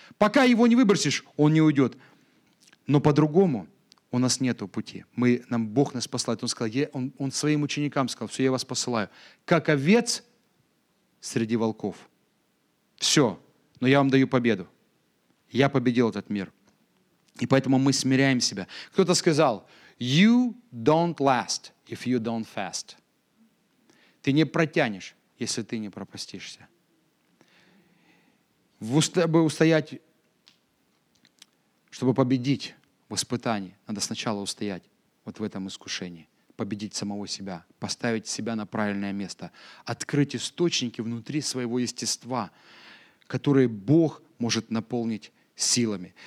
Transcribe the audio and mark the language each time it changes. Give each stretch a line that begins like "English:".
Russian: Пока его не выбросишь, он не уйдет. Но по-другому у нас нет пути. Нам Бог нас посылает. Он сказал, он своим ученикам сказал, все, я вас посылаю. Как овец среди волков. Все. Но я вам даю победу. Я победил этот мир. И поэтому мы смиряем себя. Кто-то сказал,
English: you don't last if you don't fast.
Russian: Ты не протянешь, если ты не пропастишься. Чтобы устоять, чтобы победить в испытании, надо сначала устоять вот в этом искушении, победить самого себя, поставить себя на правильное место, открыть источники внутри своего естества, которые Бог может наполнить силами.